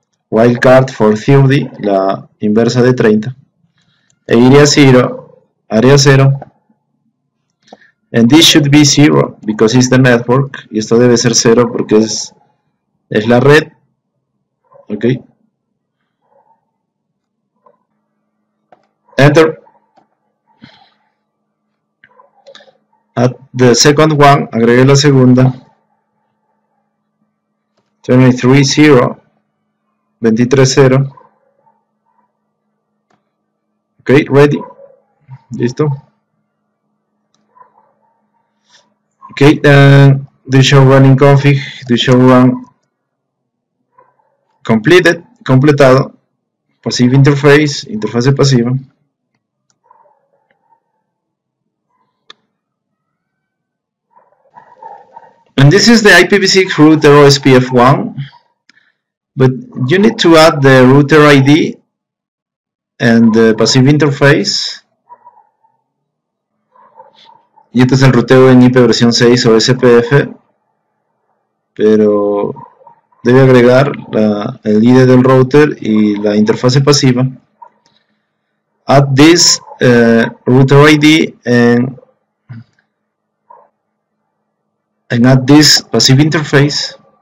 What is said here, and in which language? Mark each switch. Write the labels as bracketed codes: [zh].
[en] Wildcard for 30, [es] la inversa de 30. E iría 0, área 0. [en] And this should be 0, because it's the network. [es] Y esto debe ser 0, porque es la red. [en] Ok. Enter. At the second one, [es] agregue la segunda. 23-0. 23-0. [en] Ok, ready. [es] Listo. [en] Ok, do show running config. Do show run completed. [es] Completado. [en] Passive interface. [es] Interfase pasiva. [en] And this is the IPv6 router OSPF1. But you need to add the router ID and the passive interface. [es] Y este es el router en IP versión 6 o SPF. Pero debe agregar el ID del router y la interfase pasiva. [en] Add this router ID and add this passive interface.